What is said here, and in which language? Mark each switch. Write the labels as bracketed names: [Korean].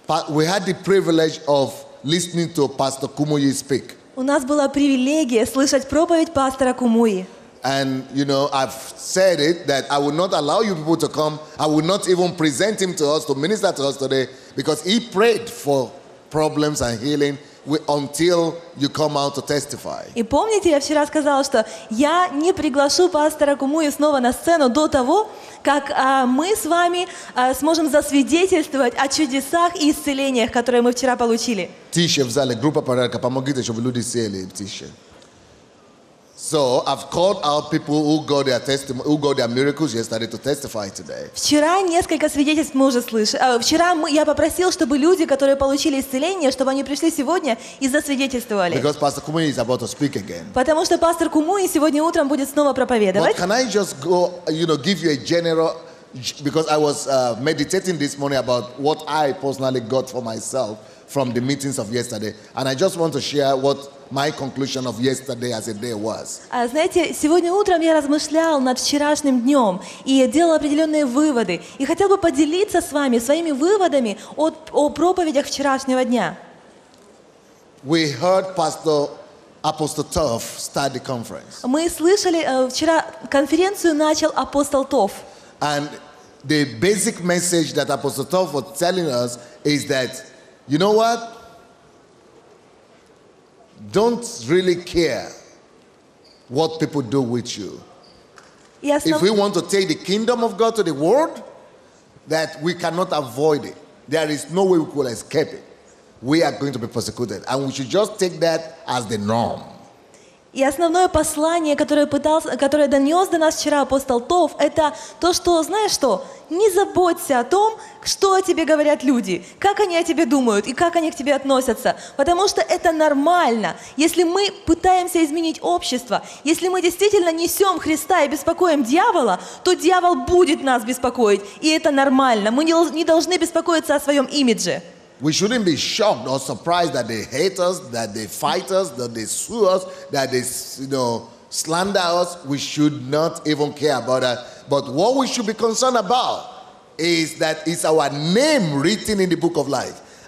[English] we had the privilege of listening to Pastor Kumuyi speak. [Russian] У нас была привилегия слышать проповедь пастора Кумуи. [English] And you know, I've said it that I will not allow you people to come. I will not even present him to us to minister to us today because he prayed for problems and healing. Until you come out to testify. [Russian] И помните, я вчера сказала, что я не приглашу пастора Кумуи снова на сцену до того, как мы с вами сможем засвидетельствовать о чудесах и исцелениях, которые мы вчера получили. Тише в зале, группа порядка, помогите, чтобы люди сели, тише. [English] So I've called out people who got their testimony, who got their miracles yesterday to testify today. [Russian] Вчера несколько свидетельств мы уже слышали. Вчера я попросил, чтобы люди, которые получили исцеление, чтобы они пришли сегодня и засвидетельствовали. [English] Because Pastor Kumuyi is about to speak again. [Russian] Потому что пастор Кумуи сегодня утром будет снова проповедовать. [English] But can I just go, you know, give you a general, because I was meditating this morning about what I personally got for myself from the meetings of yesterday, and I just want to share what. My conclusion of yesterday as a day was. [Russian] Знаете, сегодня утром я размышлял над вчерашним днем и делал определенные выводы. И хотел бы поделиться с вами своими выводами о проповедях вчерашнего дня. [English] We heard Pastor Apostle Toff start the conference. [Russian] Мы слышали вчера конференцию начал апостол Тофф. [English] And the basic message that Apostle Toff was telling us is that, you know what? Don't really care what people do with you. Yes, if we want to take the kingdom of God to the world, that we cannot avoid it. There is no way we could escape it. We are going to be persecuted. And we should just take that as the norm. [Russian] И основное послание, которое донес до нас вчера апостол Тофф, это то, что, знаешь что, не заботься о том, что о тебе говорят люди, как они о тебе думают и как они к тебе относятся, потому что это нормально. Если мы пытаемся изменить общество, если мы действительно несем Христа и беспокоим дьявола, то дьявол будет нас беспокоить, и это нормально. Мы не должны беспокоиться о своем имидже. [English] We shouldn't be shocked or surprised that they hate us, that they fight us, that they sue us, that they, you know, slander us. We should not even care about that. But what we should be concerned about is that it's our name written in the book of life.